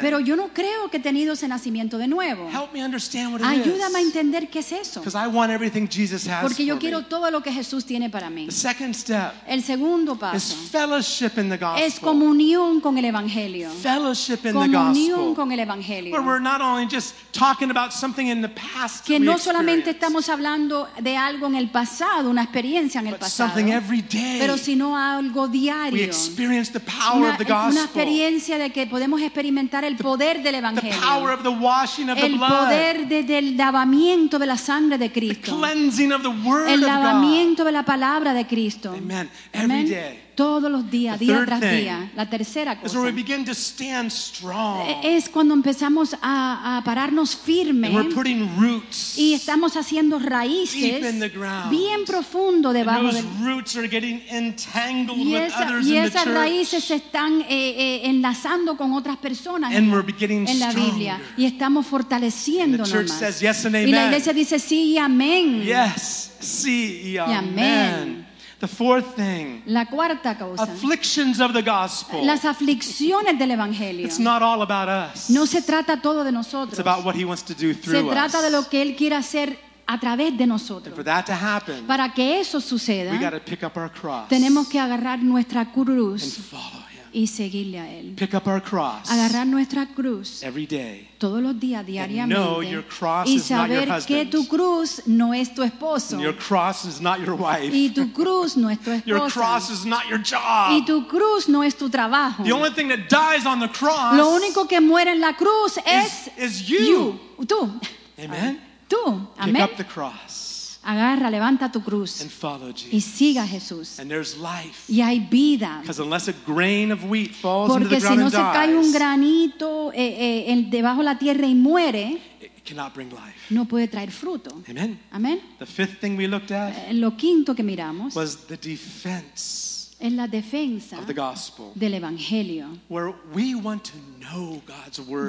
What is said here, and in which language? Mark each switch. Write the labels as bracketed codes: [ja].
[es] Pero yo no creo que he tenido ese nacimiento de nuevo. [en] Help me understand what it [es] ayúdame [en] is. [es] A entender qué es eso. [en] Because I want everything Jesus has [es] porque yo [en] for [es] quiero [en] me. [es] Todo lo que Jesús tiene para mí. [en] The second step [es] el segundo paso [en] is fellowship in the gospel. [es] Es comunión con el evangelio. [en] Fellowship in [es] comunión [en] the gospel. [es] Con el evangelio. [en] Where we're not only just talking about something in the past [es] que no solamente estamos hablando de algo en el pasado, una experiencia en el pasado, [en] something every day, [es] pero sino algo diario. [en] We experience the power of the gospel. [es] Una experiencia de que podemos experimentar el poder del evangelio. [en] The power of the washing of the blood. [es] El poder del lavamiento de la sangre de Cristo. [en] The cleansing of the word of God. [es] El lavamiento de la palabra de Cristo. [en] Amen. Every day. [es] Todos los días, día tras día. La tercera cosa [en] is where we begin to stand strong. [es] Es cuando empezamos a pararnos firmes. [en] And we're putting roots [es] y estamos haciendo raíces [en] deep in the ground. [es] Bien profundo debajo [en] and those roots are getting entangled [es] y esa, [en] with others [es] y esas [en] in the church. [es] Raíces se están enlazando con otras personas [en] and we're beginning [es] en la Biblia [en] stronger. [es] Y estamos fortaleciéndonos. [en] And the church says yes and amen. [es] Y la iglesia dice sí y amén. Yes, sí y amén. Y amén. [en] The fourth thing. [es] La cuarta causa. [en] Afflictions of the gospel. [es] Las aflicciones del evangelio. [en] It's not all about us. [es] No se trata todo de nosotros. [en] It's about what he wants to do through us. [es] Se trata [en] us. [es] De lo que él quiere hacer a través de nosotros. [en] And for that to happen, [es] para que eso suceda, [en] we got to pick up our cross. [es] Tenemos que agarrar nuestra cruz. [en] And follow. [es] Y seguirle a él. [en] Pick up our cross. [es] Agarrar nuestra cruz. [en] Every day. [es] Todos los días, diariamente. [en] And know your cross [es] y saber [en] is not your [es] que tu cruz no es tu esposo. [en] Your cross is not your wife. [es] Y tu cruz no es tu esposa. [en] Your cross is not your job. [es] Y tu cruz no es tu trabajo. [en] The only thing that dies on the cross. [es] Lo único que muere en la cruz es [en] is you. [es] Tú. [en] Amen. [es] Tú, amén. [en] Pick up the cross. [es] Agarra, levanta tu cruz. [en] And follow Jesus. [es] Y siga a Jesús. [en] And there's life. [es] Y hay vida. [en] Because unless a grain of wheat falls [es] Porque [en] into the ground [es] si no [en] and [es] se [en] dies, [es] cae un granito debajo la tierra y muere, [en] it cannot bring life. [es] No puede traer fruto. [en] Amen. [es] Amen. [en] The fifth thing we looked at [es] lo quinto que miramos [en] was the defense. [es] En la defensa [en] of the gospel, [es] del evangelio, [en] where we want to know God's word,